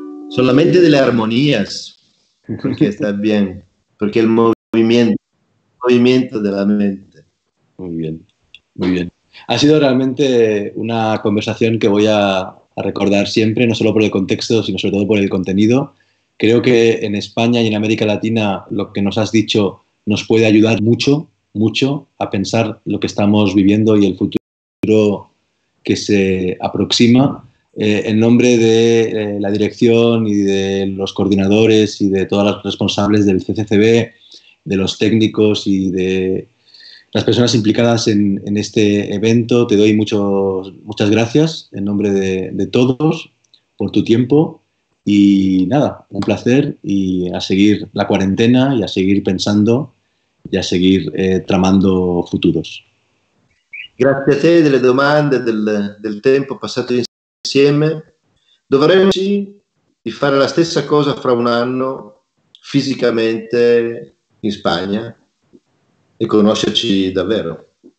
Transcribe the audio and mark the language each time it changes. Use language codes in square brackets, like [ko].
[it] Solamente delle armonie, perché sta bene, perché il movimento della mente. [es] Muy bien. Ha sido realmente una conversación que voy a recordar siempre, no solo por el contexto, sino sobre todo por el contenido. Creo que en España y en América Latina lo que nos has dicho nos puede ayudar mucho, mucho a pensar lo que estamos viviendo y el futuro que se aproxima. En nombre de la dirección y de los coordinadores y de todas las responsables del CCCB, de los técnicos y de las personas implicadas en este evento, te doy muchas gracias en nombre de todos por tu tiempo. Y nada, un placer, y a seguir la cuarentena y a seguir pensando y a seguir tramando futuros. Gracias a te de las preguntas, del tiempo pasado insieme. [it] Dovremmo di fare la stessa cosa fra un anno fisicamente in Spagna e conoscerci davvero.